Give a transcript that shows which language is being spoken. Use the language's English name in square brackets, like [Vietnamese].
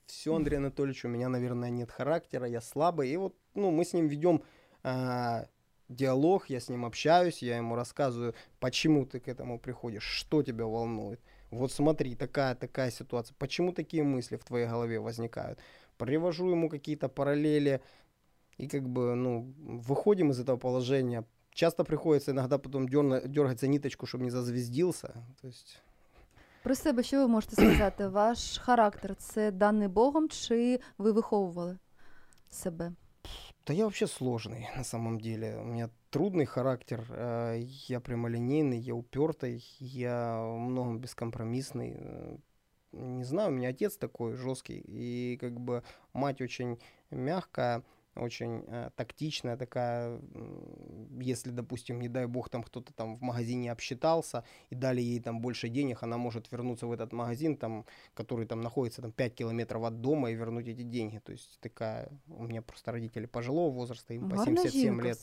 [Russian] Все, Андрей Анатольевич, у меня, наверное, нет характера, я слабый. И вот, ну, мы с ним ведем диалог, я с ним общаюсь, я ему рассказываю, почему ты к этому приходишь, что тебя волнует. Вот смотри, такая ситуация. Почему такие мысли в твоей голове возникают? Привожу ему какие-то параллели и как бы, ну, выходим из этого положения. Часто приходится иногда потом дергать за ниточку, чтобы не зазвездился. То есть... [Ukrainian] Про себе що ви можете сказати? Ваш характер – це даний Богом, чи ви виховували себе? Та я взагалі сложний, [Russian] на самом деле. [Ukrainian] У мене трудний характер, я прямолінійний, я упертий, я [Russian] в многом [Ukrainian] безкомпромісний. Не знаю, у мене отец такий жорсткий, і [Russian] как бы, [Ukrainian] мать дуже м'яка, дуже тактична така. [Russian] Если, допустим, не дай бог, там кто-то там в магазине обсчитался и дали ей там больше денег, она может вернуться в этот магазин, там, который там находится там 5 километров от дома, и вернуть эти деньги. То есть такая... У меня просто родители пожилого возраста, им по 77 лет.